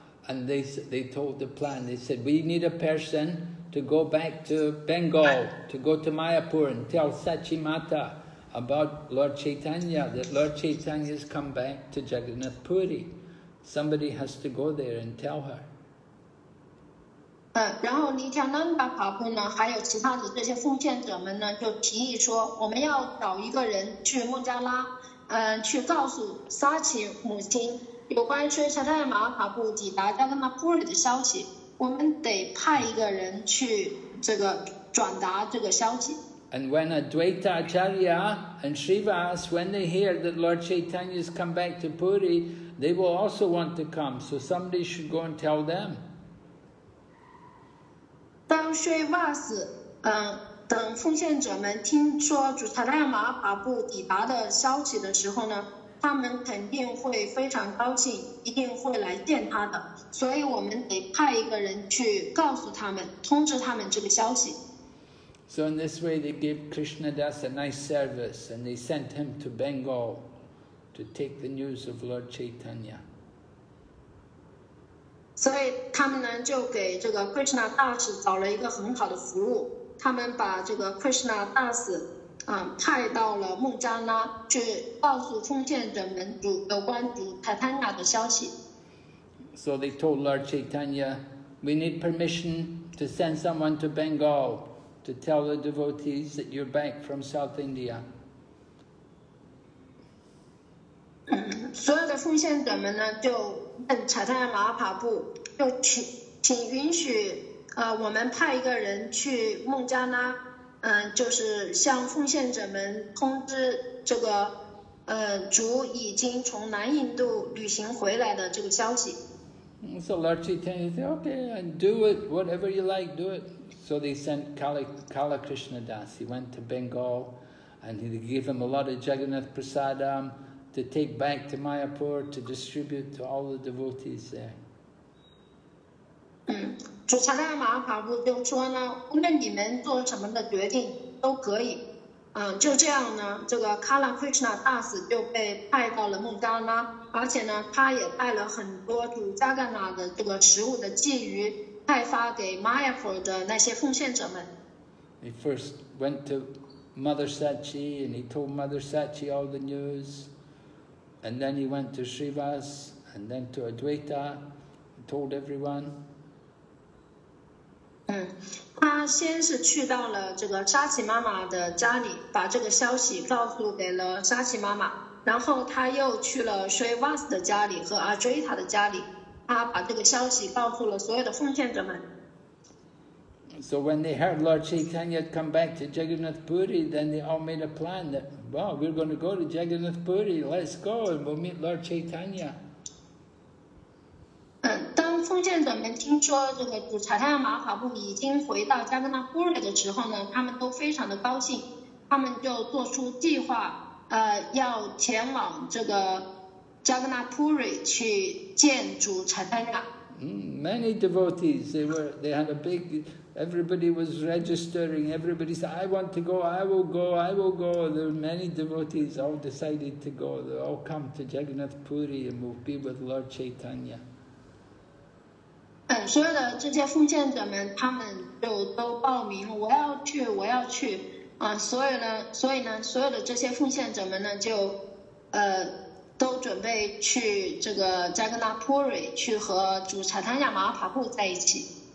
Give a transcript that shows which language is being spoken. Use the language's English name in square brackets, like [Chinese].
[English] And they told the plan. They said, "We need a person to go back to Bengal, to go to Mayapur and tell Sachimata about Lord Chaitanya, that Lord Chaitanya has come back to Jagannath Puri. Somebody has to go there and tell her." [Chinese] 然后尼加南达帕布呢，还有其他的这些奉献者们呢，就提议说，我们要找一个人去孟加拉，去告诉萨奇母亲有关于查泰马帕布抵达加格纳普里的消息。我们得派一个人去这个转达这个消息。 [English] And when Advaita Acharya and Srivas, when they hear that Lord Chaitanya has come back to Puri, they will also want to come. So somebody should go and tell them. [Chinese] 当 Srivas, 等奉献者们听说主查塔亚玛哈帕布抵达的消息的时候呢，他们肯定会非常高兴，一定会来见他的。所以我们得派一个人去告诉他们，通知他们这个消息。 [English] So in this way, they gave Krishna Das a nice service, and they sent him to Bengal to take the news of Lord Chaitanya. So they, [Chinese] 就给这个 Krishna Das 找了一个很好的服务。他们把这个 Krishna Das, 派到了孟加拉去告诉奉献者们主有关主 Chaitanya 的消息。 [English] So they told Lord Chaitanya, "We need permission to send someone to Bengal." To tell the devotees that you're back from South India. [Chinese] 所有的奉献者们呢，就问查塔亚马哈帕布，就请允许，我们派一个人去孟加拉，就是向奉献者们通知这个，主已经从南印度旅行回来的这个消息。 [English] So Lord Chaitanya said, okay, do it, whatever you like, do it. So they sent Kala Krishna Das. He went to Bengal and he gave him a lot of Jagannath Prasadam to take back to Mayapur to distribute to all the devotees there. [Chinese] 主查拉马哈帕布就说呢，无论你们做什么的决定都可以。就这样呢，这个 Kala Krishna Das 就被派到了孟加拉，而且呢，他也带了很多主加干纳的这个食物的鲫鱼，派发给 Mayapur 的那些奉献者们。 [English] He first went to Mother Sachi and he told Mother Sachi all the news, and then he went to Srivas and then to Advaita, and told everyone. [Chinese] 他先是去到了这个沙琪妈妈的家里，把这个消息告诉给了沙琪妈妈，然后他又去了 Srivas 的家里和 Advaita 的家里，他把这个消息告诉了所有的奉献者们。 [English] So when they heard Lord Chaitanya come back to Jagannath Puri, then they all made a plan that, well, we're going to go to Jagannath Puri, let's go and we'll meet Lord Chaitanya. [Chinese] 当奉献者们听说这个主查塔亚马哈帕布已经回到加格纳布瑞的时候呢，他们都非常的高兴，他们就做出计划，要前往这个加格纳布瑞去见主查塔亚。 [English] Many devotees, they had a big, everybody was registering, everybody said, I want to go, I will go, I will go. There were many devotees all decided to go, they all come to Jagannath Puri and will be with Lord Chaitanya. [Chinese] 所有的这些奉献者们，他们就都报名，我要去，我要去，所以呢，所有的这些奉献者们呢，就，都准备去这个加格纳普瑞，去和主查坦亚马哈帕布在一起。